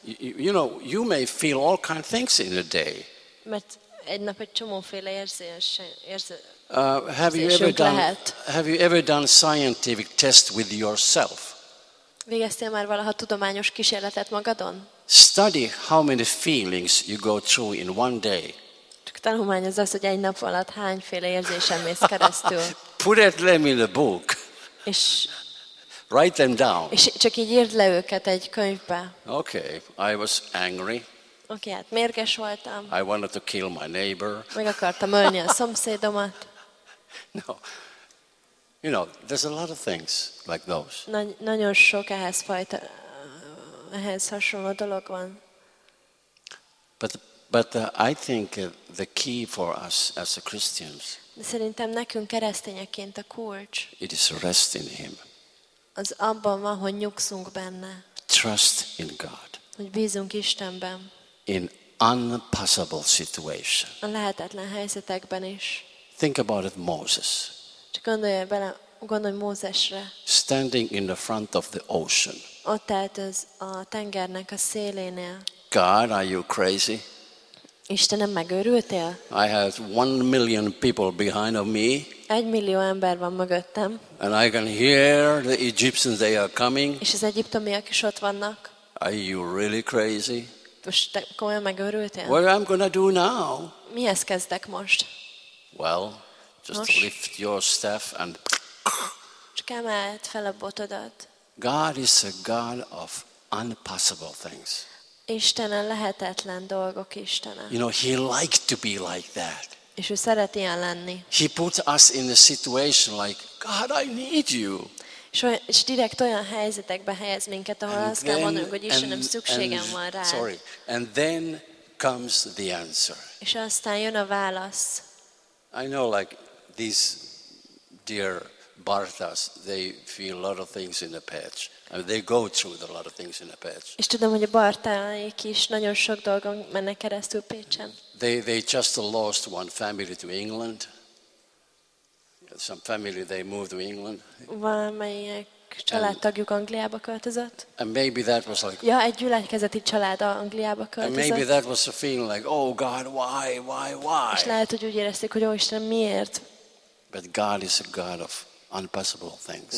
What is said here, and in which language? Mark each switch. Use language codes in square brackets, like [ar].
[en] You know, you may feel all kinds of things in a day. [hu] Mert egy nap egy csomóféle érzés. [en] Have you ever done scientific test with yourself? [hu] Végeztél már valaha tudományos kísérletet magadon? [en] Study how many feelings you go through in one day. [hu] Csak tanulmányoz az, hogy egy nap alatt hányféle érzésen mész keresztül. [en] Put it them in a book. [hu] És [en] write them down. [hu] És csak így írd le őket egy könyvbe. [en] Okay, I was angry. [hu] Okay, hát mérges voltam. [en] I wanted to kill my neighbor. [hu] Meg akartam ölni a szomszédomat. [en] No, you know, there's a lot of things like those. [hu] Nagyon sok ehhez fajta, ehhez hasonló dolog van. [en] But I think the key for us as a Christians. [hu] Szerintem nekünk keresztényeként a kulcs. [en] It is rest in Him. [hu] Az abban van, hogy nyugszunk benne. [en] Trust in God. [hu] Hogy bízunk Istenben. [en] In impossible situation. [hu] A lehetetlen helyzetekben is. [en] Think about it, Moses. [hu] Csak gondolj Mózesre. [en] Standing in the front of the ocean. [hu] Ott állt a tengernek a szélénél. [en] God, are you crazy? [hu] Istenem, megőrültél? [en] I have 1 million people behind of me. [hu] 1 millió ember van mögöttem. [en] And I can hear the Egyptians, they are coming. [hu] És az egyiptomiak is ott vannak. [en] Are you really crazy? [hu] Most te komolyan megőrültél? [en] What am I gonna do now? [hu] Mihez kezdek most? [en] Well, just most lift your staff and [hu] csak emeld fel a botodat. [en] God is a God of impossible things. [hu] Istenen lehetetlen dolgok Istene. [en] You know, he liked to be like that. [hu] És ő szeret ilyen lenni. [en] He put us in a situation like, God, I need you. [hu] És direkt olyan helyzetekbe helyez minket, ahol azt kell mondanunk, hogy Istenem, szükségem van rá. [en] Sorry. And then comes the answer. [hu] És aztán jön a válasz. [en] I know, like these dear Barthas, they feel a lot of things in the patch. And they go through a lot of things in the patch. [hu] És tudom, hogy a Bartáik is nagyon sok dolgon mennek keresztül Pécsen. [en] They just lost one family to England. Some family they moved to England. [hu] Valamelyik családtagjuk Angliába költözött. [en] And maybe that was like. [hu] Ja, egy gyülekezeti család Angliába költözött. [en] And maybe that was a feeling like, oh God, why? [hu] És lehet, hogy úgy érezték, hogy ó Isten, miért? [en] But God is a God of impossible things.